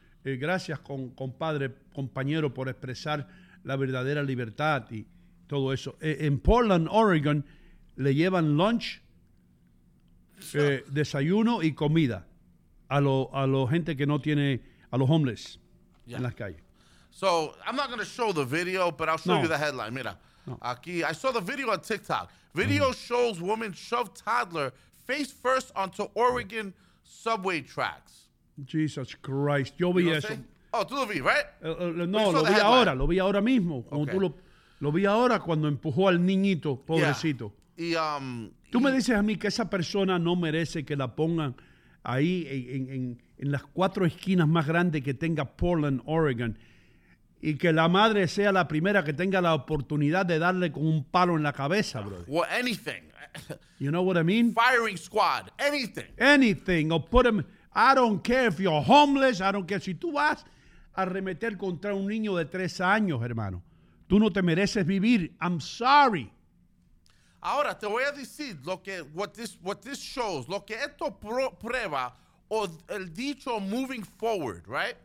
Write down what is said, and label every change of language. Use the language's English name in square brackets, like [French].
[Spanish] Gracias, compadre, compañero, por expresar la verdadera libertad y todo eso. En Portland, Oregon, le llevan lunch, desayuno y comida a los gente que no tiene, a los homeless en las calles. [English] So, I'm not going to show the video, but I'll show you the headline. [Spanish] Mira, aquí, [English] I saw the video on TikTok. Video shows woman shoved toddler face first onto Oregon subway tracks. Jesus Christ. [Spanish] Yo vi eso. Oh, tú lo vi, right? No, lo vi ahora. Lo vi ahora mismo. Okay. Tú lo vi ahora cuando empujó al niñito, pobrecito. [English] Yeah. [Spanish] Tú me dices a mí que esa persona no merece que la pongan ahí en las cuatro esquinas más grandes que tenga Portland, Oregon, y que la madre sea la primera que tenga la oportunidad de darle con un palo en la cabeza, bro. [English] Well, anything. You know what I mean? Firing squad. Anything. Anything. Or put him... I don't care if you're homeless. I don't care. [Spanish] Si tú vas a arremeter contra un niño de 3 años, hermano, tú no te mereces vivir. [English] I'm sorry. [Spanish] Ahora, te voy a decir lo que... [English] What this shows. [Spanish] Lo que esto prueba... O el dicho [English] moving forward, right?